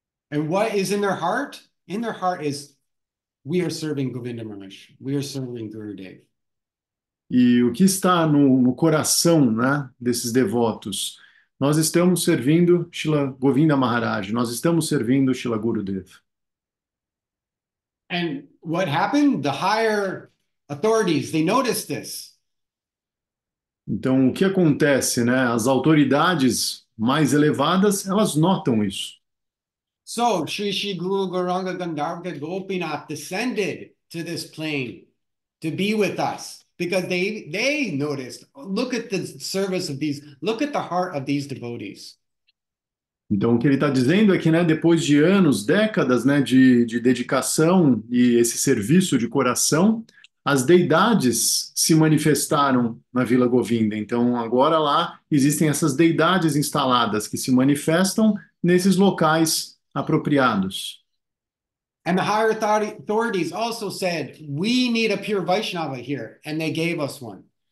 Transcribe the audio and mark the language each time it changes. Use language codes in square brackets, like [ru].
[en] And what is in their heart? In their heart is, we are serving Govinda Maharaj. We are serving Guru Dev. [pt] E o que está no coração, né, desses devotos? Nós estamos servindo Srila Govinda Maharaj. Nós estamos servindo Srila Guru Dev. [en] And what happened? The higher authorities, they noticed this. [pt] Então, o que acontece, né? As autoridades mais elevadas, elas notam isso. [en] So, Sri Sri Guru Gauranga Gandharva Gopinath descended to this plane to be with us because they noticed, look at the service of these, look at the heart of these devotees. [pt] Então, o que ele está dizendo é que, né, depois de anos, décadas, né, de dedicação e esse serviço de coração, as deidades se manifestaram na Vila Govinda. Então, agora lá, existem essas deidades instaladas que se manifestam nesses locais apropriados. [en] And the higher authorities also said, we need a pure Vaishnava here, and they gave us one.